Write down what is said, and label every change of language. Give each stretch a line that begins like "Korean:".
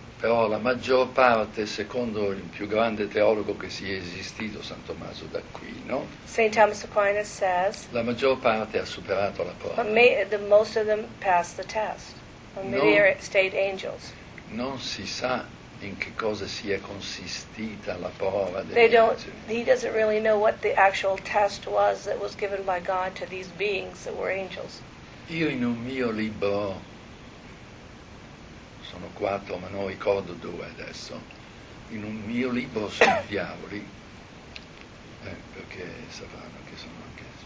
Italian: Però la maggior parte, secondo il più grande teologo che sia esistito, San Tommaso d'Aquino,
English: Saint Thomas Aquinas says,
Italian: la maggior parte ha superato la prova.
English: Most of them passed the test. Many are state angels.
Italian: Non si sa in che cosa sia consistita la prova degli angeli.
English: He doesn't really know what the actual test was that was given by God to these beings that were angels.
Italian: Io in un mio libro, sono quattro, ma non ricordo dove adesso, in un mio libro sui diavoli, perché sapranno che sono anche